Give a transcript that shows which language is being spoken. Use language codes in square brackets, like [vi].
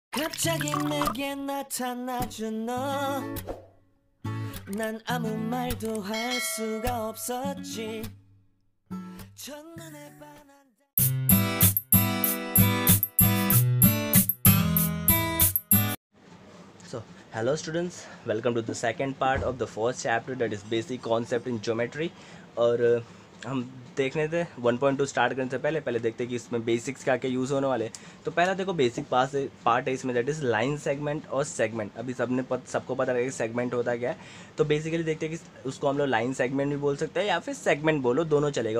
[ko] 갑자기 내게 나타나죠 너. 난 아무 말도 할 수가 없었지. 첫눈에 반한 [en] So, hello students. Welcome to the second part of the first chapter that is basic concept in geometry. [hi] और हम देखने थे 1.2 start करने से पहले देखते हैं कि इसमें बेसिक्स क्या क्या यूज़ होने वाले. तो पहला देखो बेसिक पास पार्ट है इसमें, [en] that is [hi] लाइन सेगमेंट और सेगमेंट. अभी सबको पता रहेगा कि सेगमेंट होता क्या है. तो बेसिकली देखते हैं कि उसको हम लोग लाइन सेगमेंट भी बोल सकते हैं या फिर सेगमेंट बोलो, दोनों चलेगा.